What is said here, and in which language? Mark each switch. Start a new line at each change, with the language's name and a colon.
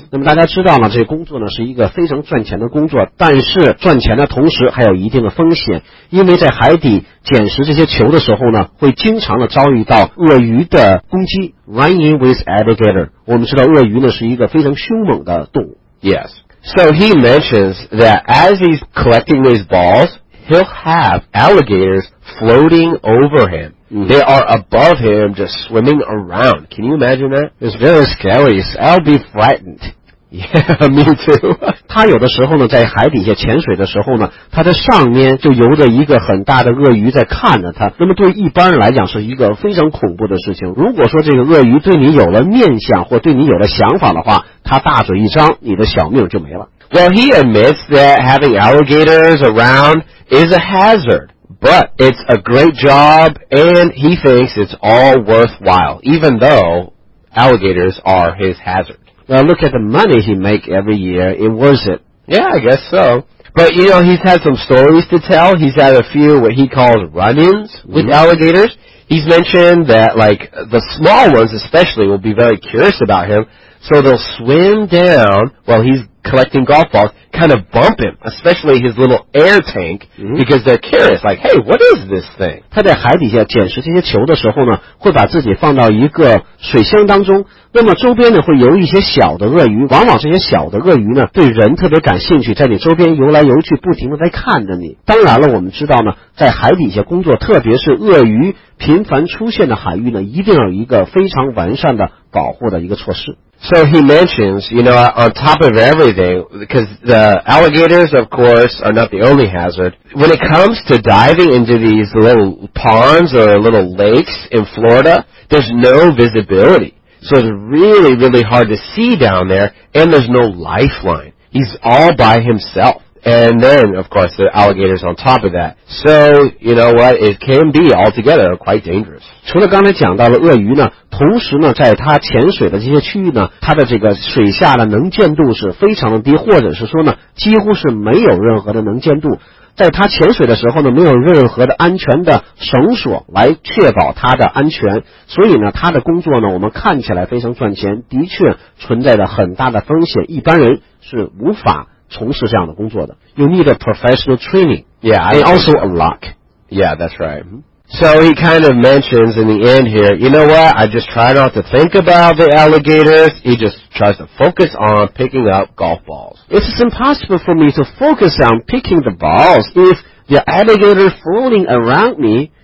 Chinese: 那么大家知道呢，这个工作呢是一个非常赚钱的工作，但是赚钱的同时还有一定的风险，因为在海底捡拾这些球的时候呢，会经常的遭遇到鳄鱼的攻击。
English: Running with alligator，
Chinese: 我们知道鳄鱼呢是一个非常凶猛的动物。
English: Yes. So he mentions that as he's collecting these balls, he'll have alligators floating over him. They are above him, just swimming around. Can you imagine that? It's very scary. I'll be frightened. Yeah, me too.
Chinese: 他有的时候呢，在海底下潜水的时候呢，他在上面就游着一个很大的鳄鱼在看着他。那么对一般人来讲是一个非常恐怖的事情。如果说这个鳄鱼对你有了念想或对你有了想法的话，他大嘴一张，你的小命就没了。
English: Well, he admits that having alligators around is a hazard. But it's a great job, and he thinks it's all worthwhile, even though alligators are his hazard. Well, look at the money he makes every year. It worth it. Yeah, I guess so. But, you know, he's had some stories to tell. He's had a few what he calls run-ins with alligators. He's mentioned that, like, the small ones especially will be very curious about him, so they'll swim down while he's collecting golf balls, kind of bump him, especially his little air tank, because they're curious, like, hey, what is this thing?
Chinese: 他在海底下捡拾这些球的时候呢，会把自己放到一个水箱当中，那么周边呢会游一些小的鳄鱼，往往这些小的鳄鱼呢对人特别感兴趣，在你周边游来游去，不停的在看着你。当然了，我们知道呢，在海底下工作，特别是鳄鱼频繁出现的海域呢，一定要有一个非常完善的保护的一个措施。
English: So he mentions, you know, on top of everything, because the alligators, of course, are not the only hazard. When it comes to diving into these little ponds or little lakes in Florida, there's no visibility. So it's really, really hard to see down there, and there's no lifeline. He's all by himself. And then, of course, the alligators on top of that. So, you know what, it can be altogether quite dangerous.
Chinese: 除了刚才讲到的鳄鱼呢，同时呢，在它潜水的这些区域呢，它的这个水下的能见度是非常的低，或者是说呢，几乎是没有任何的能见度。在它潜水的时候呢，没有任何的安全的绳索来确保它的安全。所以呢，它的工作呢，我们看起来非常赚钱，的确存在着很大的风险，一般人是无法从事这样的工作的。
English: You need a professional training. Yeah, and also a lock. Yeah, that's right. So he kind of mentions in the end here, you know what, I just try not to think about the alligators. He just tries to focus on picking up golf balls. It's impossible for me to focus on picking the balls if the alligator floating around me.